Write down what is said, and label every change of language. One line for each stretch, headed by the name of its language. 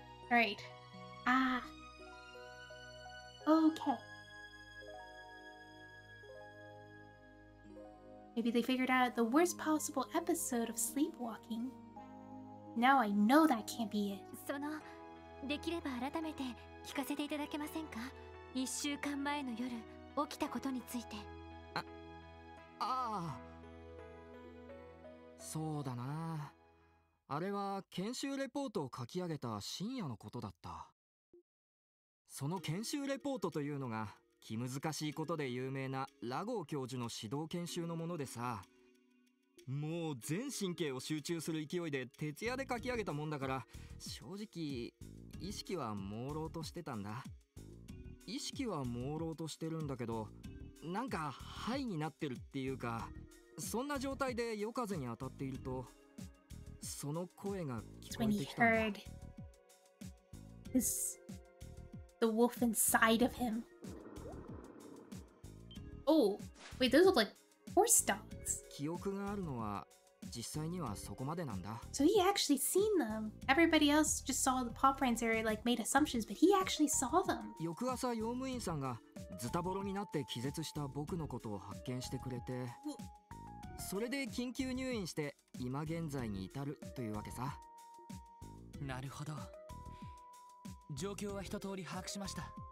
English: Alright. Ah. Okay. Maybe they figured out the worst possible episode of sleepwalking. Now I know that can't be it.
Japanese: その、できれば改めて聞かせていただけませんか？一週間前の夜、起きたことについて。あ、ああ。そうだな。あれは研修レポートを書き上げた深夜のことだった。その研修レポートというのが、気難しいことで有名なラゴー教授の指導研修のものでさ、もう全神経を集中する勢いで徹夜で書き上げたもんだから、正直意識は朦朧としてたんだ。意識は朦朧としてるんだけど、なんかハイになってるっていうか、そんな状態で夜風に当たっていると、その声が聞こえてきたんだ。
English: The wolf inside of him. Oh, wait, those look like horse dogs.
Japanese: 記憶があるのは実際にはそこまでなんだ。
English: So he actually seen them. Everybody else just saw the paw prints or like made assumptions, but he actually saw them.
Japanese: 翌朝、用務員さんがズタボロになって気絶した僕のことを発見してくれて、それで緊急入院して今現在に至るというわけさ。なるほど。状況は一通り把握しました。